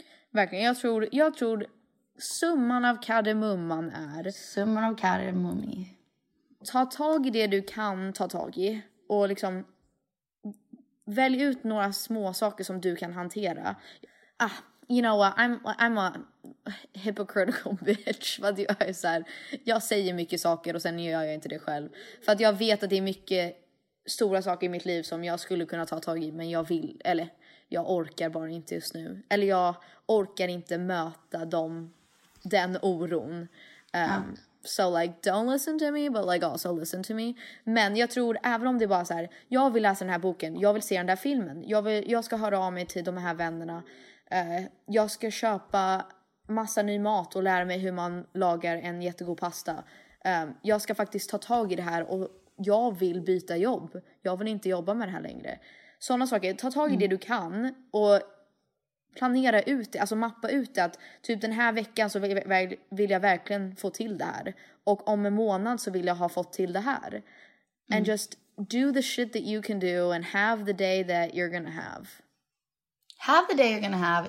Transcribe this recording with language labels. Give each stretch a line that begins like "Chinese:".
Swedish: Verkligen, jag tror summan av kardemumman är, summan av kardemummi, ta tag i det du kan ta tag i och liksom välj ut några små saker som du kan hantera.
English: you know what, I'm a hypocritical bitch.
Swedish: För att jag är så här, jag säger mycket saker och sen gör jag inte det själv. För att jag vet att det är mycket stora saker i mitt liv som jag skulle kunna ta tag i, men jag vill, eller jag orkar bara inte just nu. Eller jag orkar inte möta dem, den oron.
English: So like, don't listen to me, but like also listen to me.
Swedish: Men jag tror, även om det bara så här, jag vill läsa den här boken, jag vill se den där filmen, jag ska höra av mig till de här vännerna, jag ska köpa massa ny mat och lära mig hur man lagar en jättegod pasta. Jag ska faktiskt ta tag i det här och jag vill byta jobb. Jag vill inte jobba med det här längre. Sådana saker, ta tag i det du kan och planera ut det, alltså mappa ut det, att typ den här veckan så vill jag verkligen få till det här. Och om en månad så vill jag ha fått till det här.
English: And just do the shit that you can do and have the day that you're gonna have. Have the day you're gonna have.